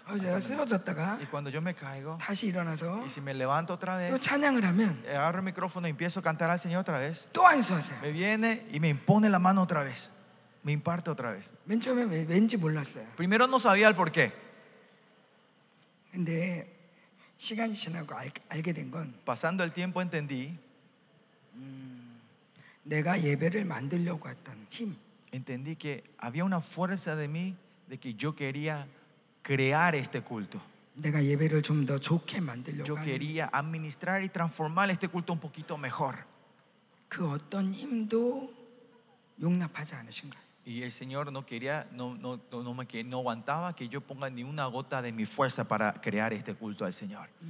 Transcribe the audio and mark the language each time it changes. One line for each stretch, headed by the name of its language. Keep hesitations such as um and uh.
Spanish: 어, hasta
Korean: 쓰러졌다가,
Spanish: y cuando yo me caigo,
Korean: 일어나서,
Spanish: y si me levanto otra vez,
Korean: 하면,
Spanish: agarro el micrófono y empiezo a cantar al Señor otra vez, me viene y me impone la mano otra vez. Me imparte otra vez.
Korean: 왠,
Spanish: Primero no sabía el por qué.
Korean: 근데 시간이 지나고 알, 알게 된건
Spanish: pasando el tiempo entendí
Korean: 음, 내가 예배를 만들려고 했던 힘
Spanish: entendí que había una fuerza de mí de que yo quería crear este culto
Korean: 내가 예배를 좀 더 좋게 만들려고
Spanish: yo quería administrar y transformar este culto un poquito mejor
Korean: 그 어떤 힘도 용납하지 않으신가
Spanish: Y el Señor no quería, no, no, no, no aguantaba que yo ponga ni una gota de mi fuerza para crear este culto al Señor.